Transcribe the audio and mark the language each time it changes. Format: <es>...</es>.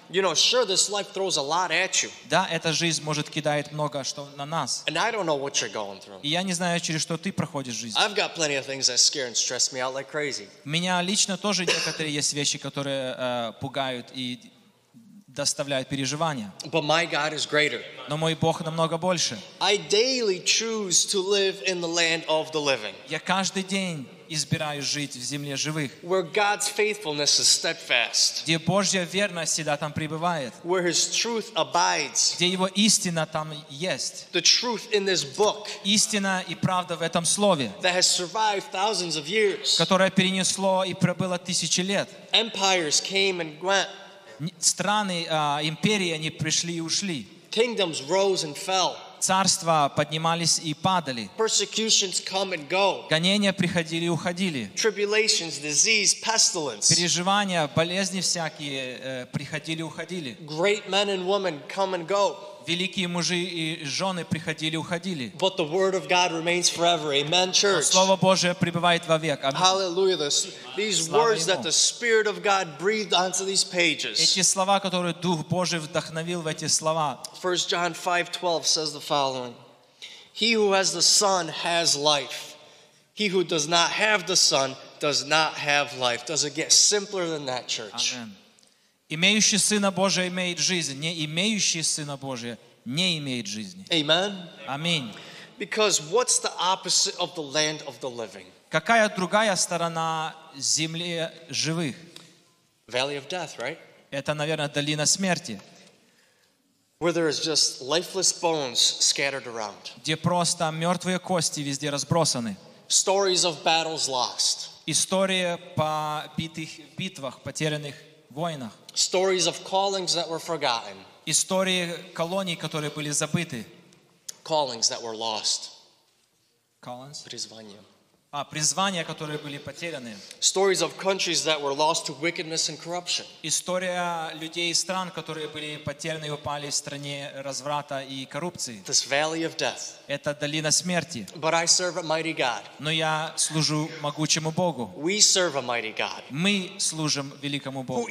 <en>You know, sure, this life throws a lot at you.</en> <ru>Да, эта жизнь может кидает много что на нас.</ru> <en>And I don't know what you're going through.</en> <ru>И я не знаю, через что ты проходишь жизнь.</ru> <en>I've got plenty of things that scare and stress me out like crazy.</en> <ru>Меня лично тоже некоторые есть вещи, которые пугают и доставляют переживания.</ru> <en>But my God is greater.</en> <ru>Но мой Бог намного больше.</ru> <en>I daily choose to live in the land of the living.</en> <ru>Я каждый день избираю жить в земле живых.</ru> <en>Where God's faithfulness is steadfast.</en> <ru>Где Божья верность всегда там пребывает.</ru> <en>Where his truth abides.</en> <ru>Где его истина там есть.</ru> <en>The truth in this book.</en> <ru>Истина и правда в этом слове.</ru> <en>That has survived thousands of years.</en> <ru>Которое перенесло и пробыло тысячи лет.</ru> <en>Empires came and went.</en> <ru>страны, империи, они пришли и ушли.</ru> <en>Kingdoms rose and fell.</en> <ru>Царства поднимались и падали.</ru> <en>Persecutions come and go.</en> <ru>Гонения приходили и уходили.</ru> <en>Tribulations, disease, pestilence.</en> <ru>Переживания, болезни всякие приходили и уходили.</ru> <en>Great men and women come and go.</en> <ru>Великие мужи и жены приходили и уходили.</ru> <en>But the word of God remains forever. Amen, church.</en> <ru>Слово Божие пребывает вовек. Аминь.</ru> <en>Hallelujah. These words that the Spirit of God breathed onto these pages.</en> <ru>Эти слова, которые Дух Божий вдохновил в эти слова.</ru> <en>1 John 5:12 says the following. He who has the Son has life. He who does not have the Son does not have life. Does it get simpler than that, church? Amen.</en> <ru>Имеющий Сына Божия имеет жизнь, не имеющий Сына Божия не имеет жизни.</ru> <en>Amen.</en> <ru>Аминь.</ru> <en>Because what's the opposite of the land of the living?</en> <ru>Какая другая сторона земли живых?</ru> <en>Valley of death, right?</en> <ru>Это, наверное, долина смерти.</ru> <en>Where there is just lifeless bones scattered around.</en> <ru>Где просто мертвые кости везде разбросаны.</ru> <en>Stories of battles lost.</en> <ru>История побитых битвах, потерянных войнах.</ru> <en>Stories of callings that were forgotten.</en> <ru>Истории колоний, которые были забыты.</ru> <en>Callings that were lost. Callings?</en> <ru>Призвания. А, призвания, которые были потеряны.</ru> <en>Stories of countries that were lost to wickedness and corruption.</en> <ru>История людей и стран, которые были потеряны и упали в стране разврата и коррупции.</ru> <en>This valley of death.</en> <ru>Это долина смерти.</ru> <en>But I serve a mighty God.</en> <ru>Но я служу могучему Богу.</ru> <en>We serve a mighty God.</en> <ru>Мы служим великому Богу.</ru>